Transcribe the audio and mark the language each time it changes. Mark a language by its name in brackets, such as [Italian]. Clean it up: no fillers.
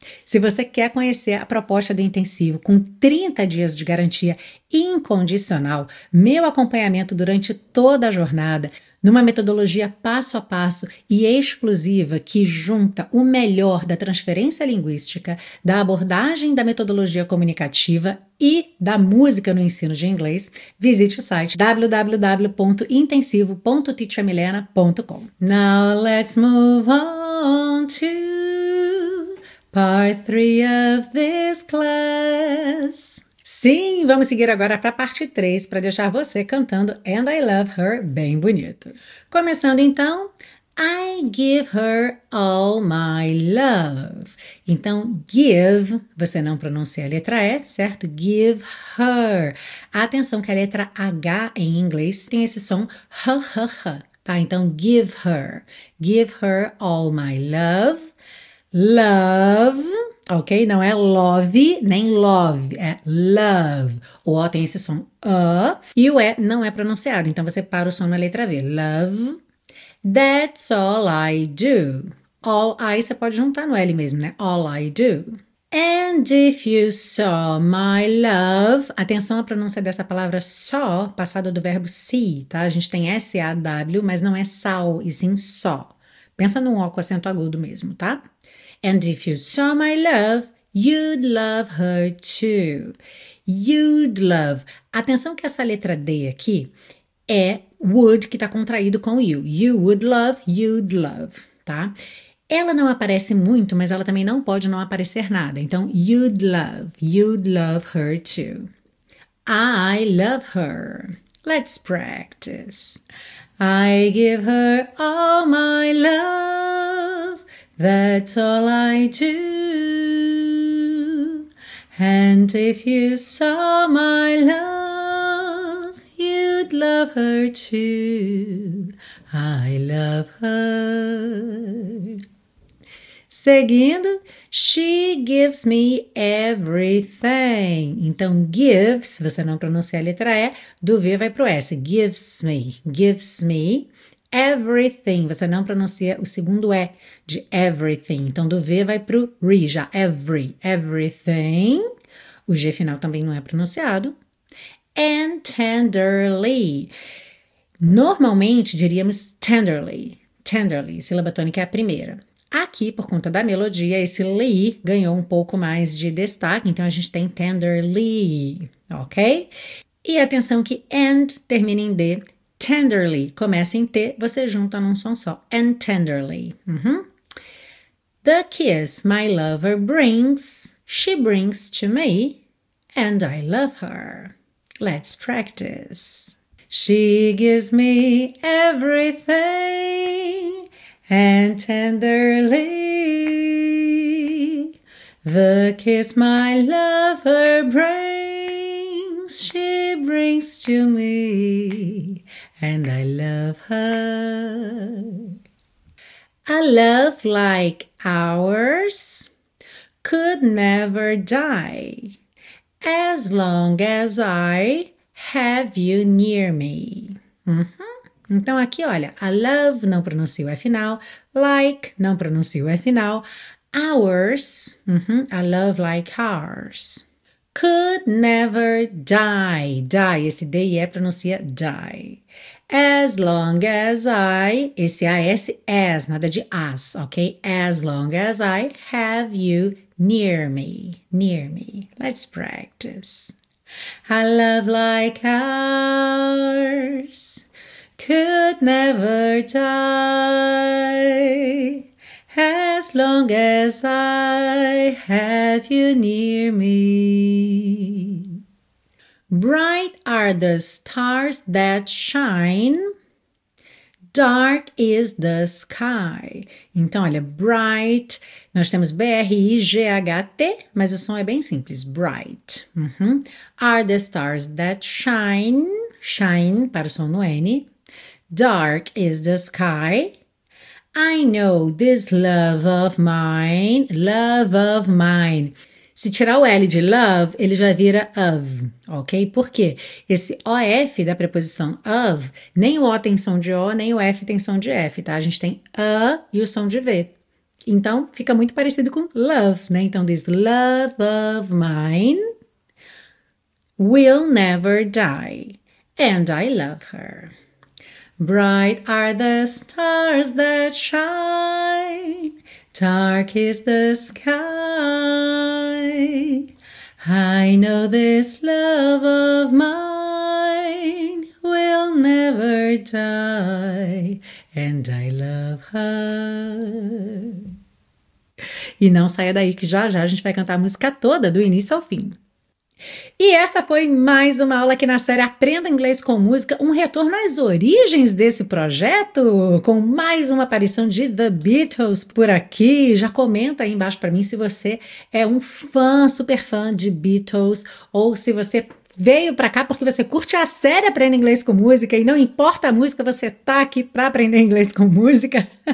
[Portuguese] Se você quer conhecer a proposta do intensivo com 30 dias de garantia incondicional, meu acompanhamento durante toda a jornada, numa metodologia passo a passo e exclusiva que junta o melhor da transferência linguística, da abordagem da metodologia comunicativa e da música no ensino de inglês, visite o site www.intensivo.teachermilena.com. [English] Now let's move on to part 3 of this class. [Portuguese] Sim, vamos seguir agora para a parte 3, para deixar você cantando And I Love Her bem bonito. Começando então, [English] I give her all my love. [Portuguese] Então, give, você não pronuncia a letra E, certo? [English] Give her. [Portuguese] Atenção que a letra H em inglês tem esse som h, tá? Então, [English] give her. Give her all my love. [Portuguese] Love, ok? Não é love, nem love, é love. O O tem esse som a, e o E não é pronunciado, então você para o som na letra V. [English] Love, that's all I do. All I, você pode juntar no L mesmo, né? All I do. And if you saw my love, [Portuguese] atenção à pronúncia dessa palavra só, passada do verbo see, tá? A gente tem SAW, mas não é saw, e sim só. Pensa num O com acento agudo mesmo, tá? [English] And if you saw my love, you'd love her too. You'd love. [Portuguese] Atenção que essa letra D aqui é would, que está contraído com you. [English] You would love, you'd love, [Portuguese] tá? Ela não aparece muito, mas ela também não pode não aparecer nada. Então, [English] you'd love her too. I love her. Let's practice. I give her all my love. That's all I do. And if you saw my love, you'd love her too. I love her. [Portuguese] Seguindo, [English] she gives me everything. [Portuguese] Então, gives, você não pronuncia a letra E, do V vai pro S. [English] Gives me. [Portuguese] Everything, você não pronuncia o segundo E de everything. Então, do V vai pro RI já. Everything. O G final também não é pronunciado. [English] And tenderly. [Portuguese] Normalmente, diríamos tenderly. Tenderly, sílaba tônica é a primeira. Aqui, por conta da melodia, esse li ganhou um pouco mais de destaque. Então, a gente tem tenderly, ok? E atenção que and termina em D. Tenderly. Começa em T, você junta num som só. [English] And tenderly. The kiss my lover brings, she brings to me, and I love her. Let's practice. She gives me everything and tenderly. The kiss my lover brings, she brings to me, and I love her. A love like ours could never die as long as I have you near me. [Portuguese] Então aqui, olha, [English] a love não pronuncia o final, like não pronuncia o final, ours, a love like ours could never die. [Portuguese] Die, esse D-I-E pronuncia die. [English] As long as I, [Portuguese] esse A-S, as, nada de as, ok? [English] As long as I have you near me, near me. Let's practice. A love like ours could never die as long as I have you near me. Bright are the stars that shine, dark is the sky. [Portuguese] Então, olha, bright, nós temos BRIGHT, mas o som é bem simples, bright. [English] Are the stars that shine, shine [Portuguese] para o som no N. [English] Dark is the sky. I know this love of mine, love of mine. [Portuguese] Se tirar o L de love, ele já vira of, ok? Por quê? Esse OF da preposição of, nem o O tem som de O, nem o F tem som de F, tá? A gente tem a e o som de V. Então, fica muito parecido com love, né? Então, [English] this love of mine will never die, and I love her. Bright are the stars that shine, dark is the sky. I know this love of mine will never die, and I love her. [Portuguese] E não saia daí que já já a gente vai cantar a música toda, do início ao fim. E essa foi mais uma aula aqui na série Aprenda Inglês com Música, um retorno às origens desse projeto, com mais uma aparição de The Beatles por aqui. Já comenta aí embaixo para mim se você é um fã, super fã de Beatles, ou se você veio para cá porque você curte a série Aprenda Inglês com Música, e não importa a música, você tá aqui para aprender inglês com música.